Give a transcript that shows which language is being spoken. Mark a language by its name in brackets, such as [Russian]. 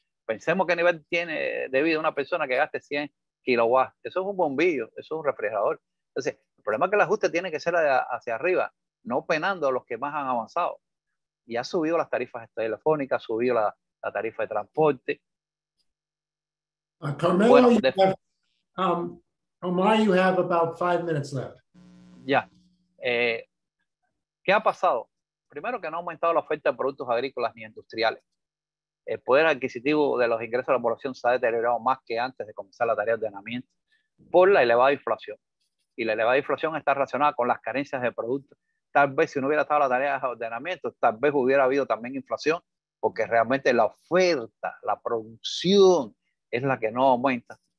[Spanish] Pensemos qué nivel tiene de vida una persona que gaste 100 kilowatts. Eso es un bombillo, eso es un refrigerador. Entonces, el problema es que el ajuste tiene que ser hacia arriba, no penando a los que más han avanzado. y ha subido las tarifas telefónicas, ha subido la tarifa de transporte. [English] Carmelo, bueno, Omar, you have about 5 minutes left. [Spanish] Ya. ¿Qué ha pasado? Primero, que no ha aumentado la oferta de productos agrícolas ni industriales. El poder adquisitivo de los ingresos de la población se ha deteriorado más que antes de comenzar la tarea de ordenamiento por la elevada inflación. Y la elevada inflación está relacionada con las carencias de productos. Tal vez si no hubiera estado la tarea de ordenamiento, tal vez hubiera habido también inflación, porque realmente la oferta, la producción, es la que no aumenta.